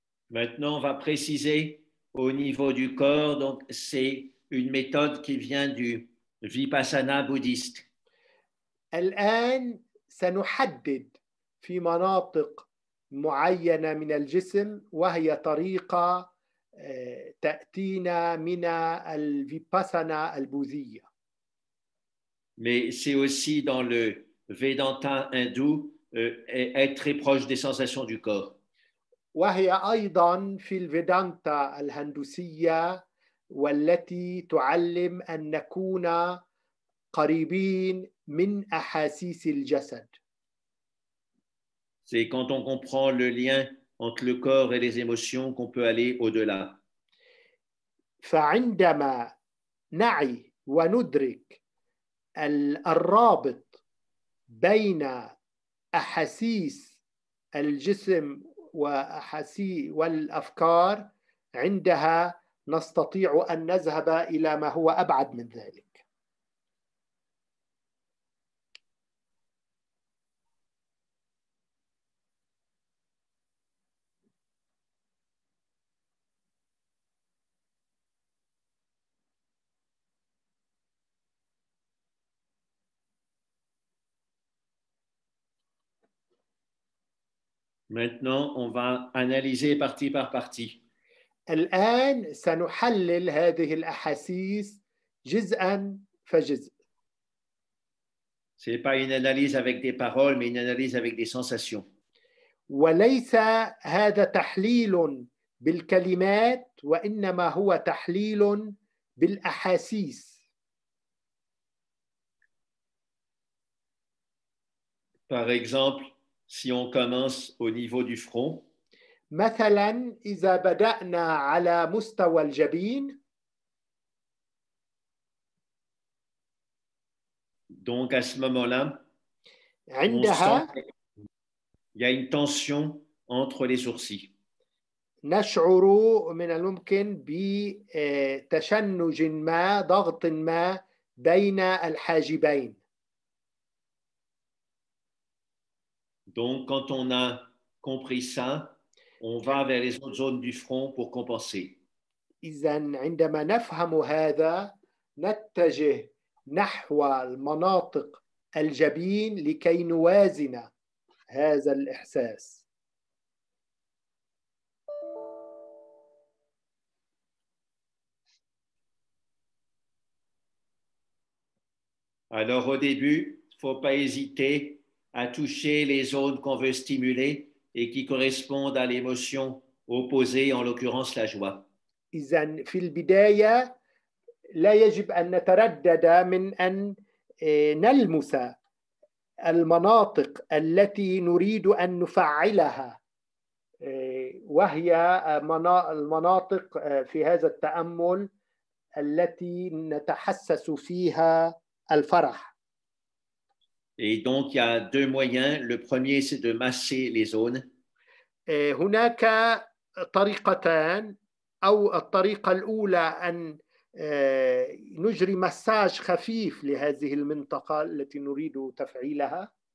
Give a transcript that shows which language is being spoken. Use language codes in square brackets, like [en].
[fr] Maintenant, on va préciser au niveau du corps. Donc, c'est une méthode qui vient du Vipassana bouddhiste. [ar] الآن سنحدد في مناطق معينة من الجسم وهي طريقة تأتينا من الفيباسانا البوذية. [fr] Mais c'est aussi dans le Vedanta hindou être très proche des sensations du corps. [ar] وهي أيضا في الفيدانتا الهندوسية والتي تعلم أن نكون قريبين من أحاسيس الجسد. [fr] C'est quand on comprend le lien entre le corps et les émotions qu'on peut aller au-delà. [ar] فعندما نعي وندرك الرابط بين أحاسيس الجسم وأحاسيس والأفكار عندها نستطيع أن نذهب إلى ما هو أبعد من ذلك. [fr] Maintenant, on va analyser partie par partie. [ar] الآن سنحلل هذه الأحاسيس جزءا فجزء. [fr] C'est pas une analyse avec des paroles, mais une analyse avec des sensations. [ar] وليس هذا تحليل بالكلمات وإنما هو تحليل بالأحاسيس. [fr] Par exemple, si on commence au niveau du front, [ar] مثلا إذا بدأنا على مستوى الجبين, [fr] donc à ce moment-là, [ar] عندها, [fr] on sent, il y a une tension entre les sourcils. [ar] نشعر من الممكن بتشنج ما, ضغط ما بين الحاجبين. [fr] Donc, quand on a compris ça, on va vers les autres zones du front pour compenser. [ar] إذن عندما نفهم هذا نتجه نحو المناطق الجبين لكي نوازن هذا الإحساس. [fr] Alors au début, il ne faut pas hésiter à toucher les zones qu'on veut stimuler et qui correspondent à l'émotion opposée, en l'occurrence la joie. [ar] إذن في البداية لا يجب أن نتردد من أن نلمس المناطق التي نريد أن نفعلها وهي المناطق في هذا التأمل التي نتحسس فيها الفرح. [fr] Et donc il y a deux moyens. Le premier, c'est de masser les zones. [ar] هناك طريقتان أو الطريقة الأولى أن نجري مساج خفيف لهذه المنطقة التي نريد تفعيلها.